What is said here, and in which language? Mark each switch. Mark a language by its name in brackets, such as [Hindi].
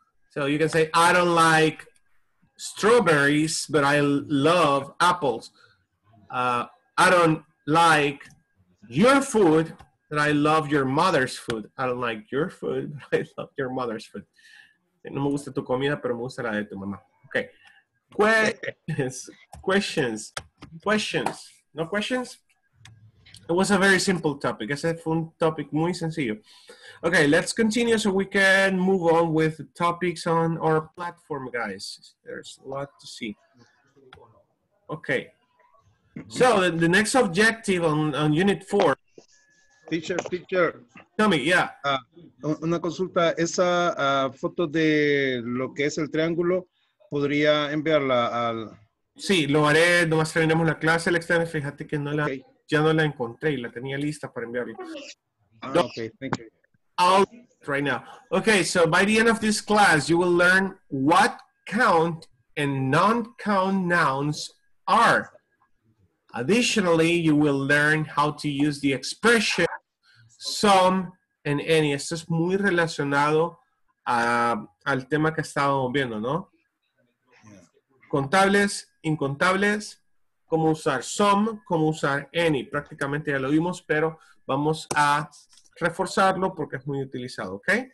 [English] So you can say, I don't like strawberries, but I love apples. I don't like your food, but I love your mother's food. I don't like your food, but I love your mother's food. [Spanish] No me gusta tu comida, pero me gusta la de tu mamá. [English] Okay. Questions. No questions? It was a very simple topic. [Spanish] Ese fue un topic muy sencillo. [English] Okay, let's continue so we can move on with topics on our platform, guys. There's a lot to see. Okay. So, the next objective on Unit 4. Teacher. Tell me, yeah. [Spanish] Una consulta. Esa foto de lo que es el triángulo, podría enviarla al... Sí, lo haré. Nomás terminemos la clase, el externo. Fíjate que no la... Okay. Ya no la encontré y la tenía lista para enviarla. [English] Okay, thank you. I'll right now. Okay, so by the end of this class, you will learn what count and non-count nouns are. Additionally, you will learn how to use the expression some and any. [Spanish] Esto es muy relacionado al tema que estábamos viendo, ¿no? Contables, incontables. Cómo usar some, cómo usar any. Prácticamente ya lo vimos, pero vamos a reforzarlo porque es muy utilizado, ¿ok?